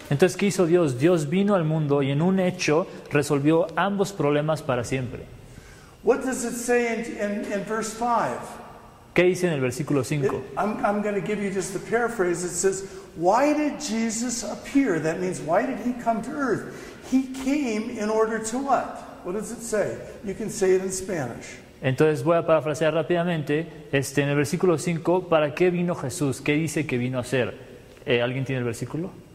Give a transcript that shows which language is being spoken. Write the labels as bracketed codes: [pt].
[es] Entonces, ¿qué hizo Dios? Dios vino al mundo y en un hecho resolvió ambos problemas para siempre. [en] What does it say in verse 5? [es] ¿Qué dice en el versículo 5? [en] I'm going to give you just the paraphrase. It says, why did Jesus appear? That means, why did he come to earth? He came in order to what? What does it say? You can say it in Spanish. [es] Entonces, voy a parafrasear rápidamente. En el versículo 5, ¿para qué vino Jesús? ¿Qué dice que vino a hacer? ¿Alguien tiene el versículo?